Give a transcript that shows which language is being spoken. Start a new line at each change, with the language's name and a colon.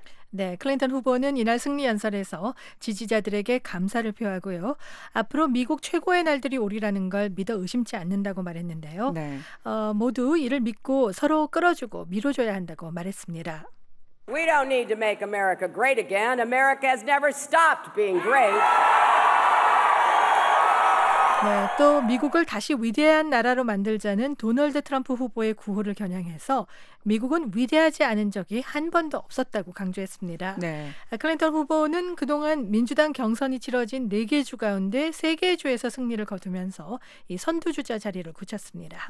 Korean: 네, 클린턴 후보는 이날 승리 연설에서 지지자들에게 감사를 표하고요. 앞으로 미국 최고의 날들이 오리라는 걸 믿어 의심치 않는다고 말했는데요. 네. 모두 이를 믿고 서로 끌어주고 밀어줘야 한다고 말했습니다.
English: We don't need to make America great again. America has never stopped being great.
Korean: 네, 또 미국을 다시 위대한 나라로 만들자는 도널드 트럼프 후보의 구호를 겨냥해서 미국은 위대하지 않은 적이 한 번도 없었다고 강조했습니다. 네. 클린턴 후보는 그동안 민주당 경선이 치러진 4개 주 가운데 3개 주에서 승리를 거두면서 이 선두주자 자리를 굳혔습니다.